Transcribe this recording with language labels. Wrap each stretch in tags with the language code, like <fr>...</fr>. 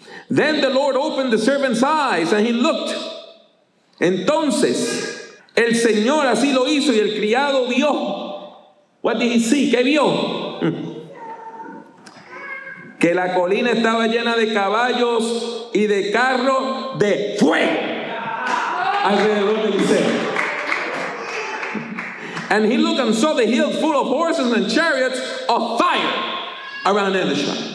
<en>Then the Lord opened the servant's eyes and he looked.</en> <es>Entonces, el Señor así lo hizo y el criado vio.</es> <en>What did he see?</en> <es>¿Qué vio? Que la colina estaba llena de caballos y de carro de fuego alrededor de Eliseo.</es> <en>And he looked and saw the hill full of horses and chariots of fire around Elisha.</en>